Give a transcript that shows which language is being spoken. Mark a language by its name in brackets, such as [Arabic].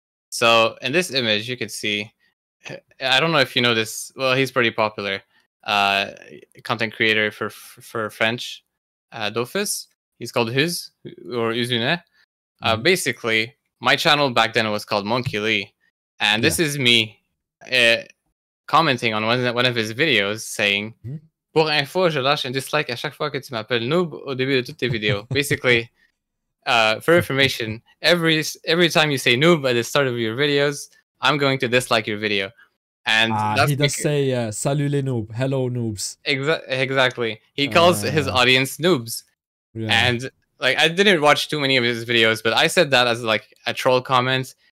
[English] So in this image, you can see, I don't know if you know this, well, he's pretty popular, content creator for French, Dofus. He's called Huz, or Uzune. Basically, my channel back then was called Monkey Lee. And this is me commenting on one of his videos, saying, [French] pour info, je lâche un dislike à chaque fois que tu m'appelles noob au début de toutes tes vidéos. [English] Basically, for information, every time you say noob at the start of your videos, I'm going to dislike your video. And he does say, [French] salut les noobs, [English] hello noobs. Exactly. He calls his audience noobs. Yeah. And like, I didn't watch too many of his videos, but I said that as like a troll comment.